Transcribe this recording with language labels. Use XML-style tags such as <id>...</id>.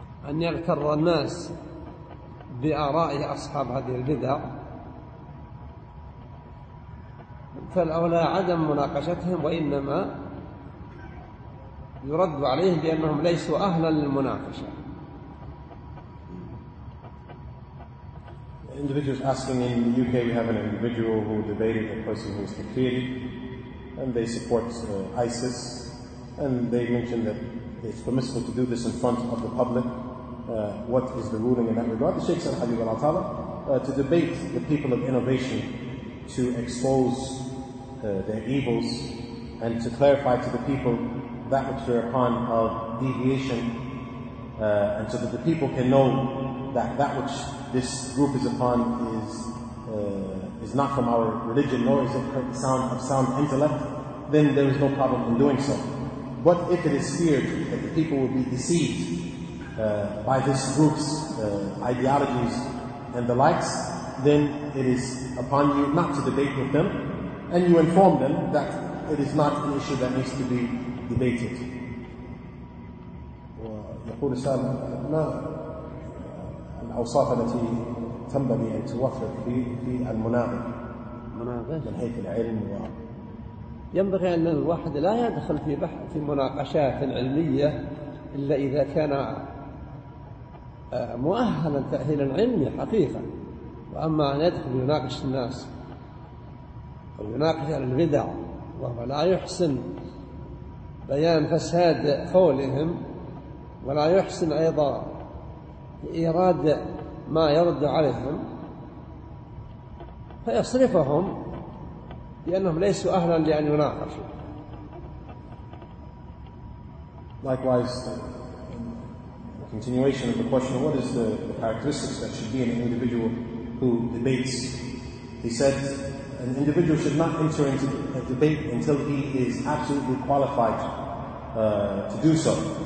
<ar>أن يغتر الناس بآراء أصحاب هذه البدع فالأولى عدم مناقشتهم وإنما يرد عليهم بأنهم ليسوا أهلا للمناقشة.</ar> <en>Individuals asking in the UK, we have an individual who debated a person who is Takfiri and they support ISIS and they mentioned that it's permissible to do this in front of the public. What is the ruling in that regard? The Sheikh said, Habib al-Atala, to debate the people of innovation to expose their evils and to clarify to the people that which they're upon of deviation and so that the people can know that which this group is upon is not from our religion nor is it of sound intellect, then there is no problem in doing so. But if it is feared that the people will be deceived by this group's ideologies and the likes, then it is upon you not to debate with them, and you inform them that it is not an issue that needs to be debated.</en> <ar>ويقول السائل ما الأوصاف التي تنبغي أن توفر في المناظر؟ مناظر من حيث العلم و... ينبغي أن الواحد لا يدخل في بحث في مناقشات علمية إلا إذا كان مؤهلا تأهيلا علمي حقيقة وأما أن يدخل يناقش الناس أو يناقش البدع وهو لا يحسن بيان فساد قولهم ولا يحسن أيضا إيراد ما يرد عليهم فيصرفهم لأنهم ليسوا أهلا لأن يناقشوا.</ar> <en>Continuation of the question, what is the characteristics that should be in an individual who debates? He said, an individual should not enter into a debate until he is absolutely qualified to do so.</en>